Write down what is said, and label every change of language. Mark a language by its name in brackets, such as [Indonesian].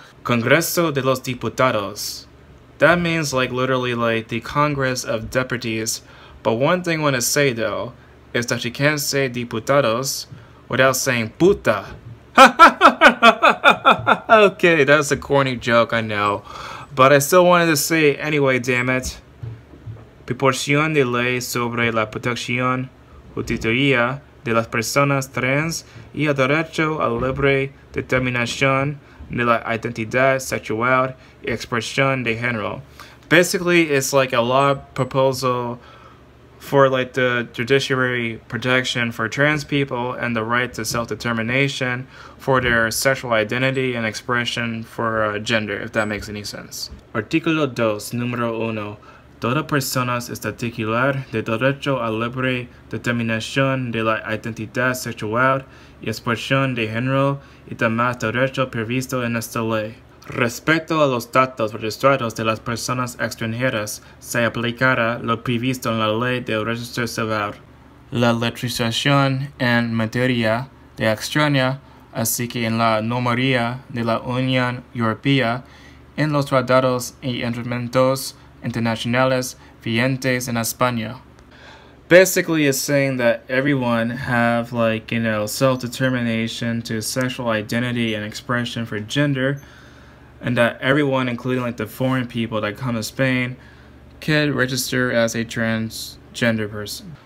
[English] Congreso de los Diputados. That means like literally like the Congress of Deputies. But one thing I want to say though is that you can't say diputados without saying puta. Okay, that's a corny joke, I know, but I still wanted to say it anyway, damn it. [Spanish] Proporción de ley sobre la protección justicia de las personas trans y el derecho a libre determinación de la identidad sexual y expresión de género. [English] Basically, it's like a law proposal for like the judiciary protection for trans people and the right to self-determination for their sexual identity and expression for gender, if that makes any sense. [Spanish] Artículo 2, número 1. Toda persona es titular de derecho a libre determinación de la identidad sexual y expresión de género y demás derechos previstos en esta ley. Respecto a los datos registrados de las personas extranjeras, se aplicará lo previsto en la ley de registro civil. La legislación en materia de extraña, así que en la normativa de la Unión Europea, en los tratados y instrumentos internacionales vigentes en España. [English] Basically, it's saying that everyone have, like, you know, self-determination to sexual identity and expression for gender, and that everyone, including like the foreign people that come to Spain, can register as a transgender person.